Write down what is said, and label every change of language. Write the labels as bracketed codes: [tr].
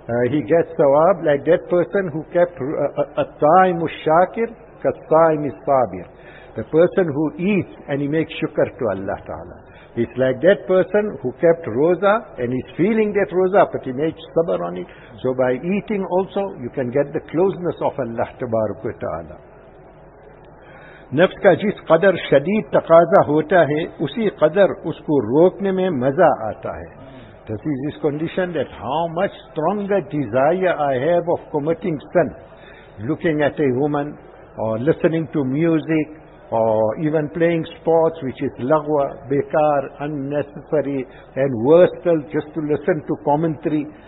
[en] He gets sawab like that person who kept [ar] at-taim ush-shakir, kat-taim is-sabir. [en] The person who eats and he makes shukr to Allah Ta'ala. It's like that person who kept roza and he's feeling that roza, but he made sabr on it. So by eating also, you can get the closeness of Allah Tabaraka wa Ta'ala. [ur] نفس کا جس قدر شدید تقاضا ہوتا ہے اسی قدر اس کو روکنے میں مزہ آتا ہے. [en] This is this condition that how much stronger desire I have of committing sin. Looking at a woman or listening to music or even playing sports which is lagwa, bekar, unnecessary and worse still just to listen to commentary.